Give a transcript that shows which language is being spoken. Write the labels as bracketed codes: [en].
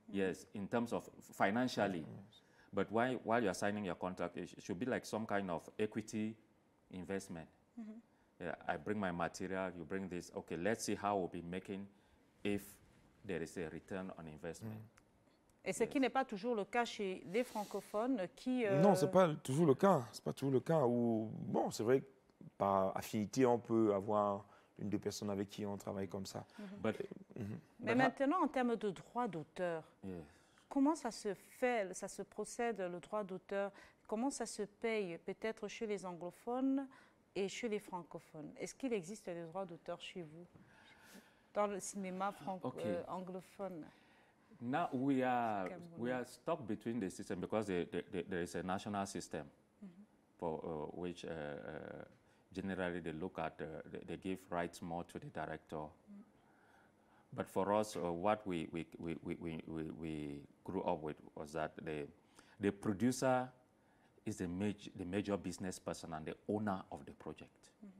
[en] Yes, in terms of financially. But while you're signing your contract, it should be like some kind of equity investment. I bring my material, you bring this. Okay, let's see how we'll be making if there is a return on investment. [fr] Et ce qui n'est pas toujours le cas chez les francophones qui... Non, ce n'est pas toujours le cas. C'est pas toujours le cas où, bon, c'est vrai que par affinité, on peut avoir une des personnes avec qui on travaille comme ça. Mm-hmm. But, mais maintenant, en termes de droit d'auteur, comment ça se fait, ça se procède, le droit d'auteur? Comment ça se paye peut-être chez les anglophones et chez les francophones? Est-ce qu'il existe des droits d'auteur chez vous, dans le cinéma anglophone? [en] Now we are stuck between the system because there is a national system for which generally they look at they give rights more to the director. But for us, what we grew up with was that the producer is the major business person and the owner of the project.